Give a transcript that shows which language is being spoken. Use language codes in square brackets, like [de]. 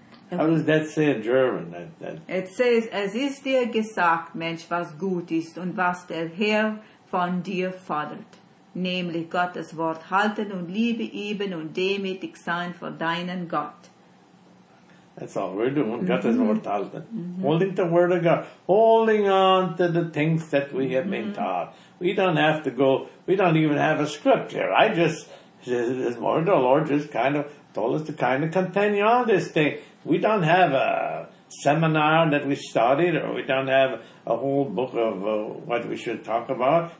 [en] How does that say in German? It says, [de] "Es ist dir gesagt, Mensch, was gut ist und was der Herr von dir fordert. Nämlich Gottes Wort halten und Liebe üben und demütig sein vor deinen Gott." [en] That's all we're doing. Mm-hmm. [de] Gottes Wort halten. [en] Mm-hmm. Holding the Word of God. Holding on to the things that we have been taught. We don't have to go. We don't even have a script here. This morning the Lord just kind of told us to kind of continue on this thing. We don't have a seminar that we studied, or we don't have a whole book of what we should talk about.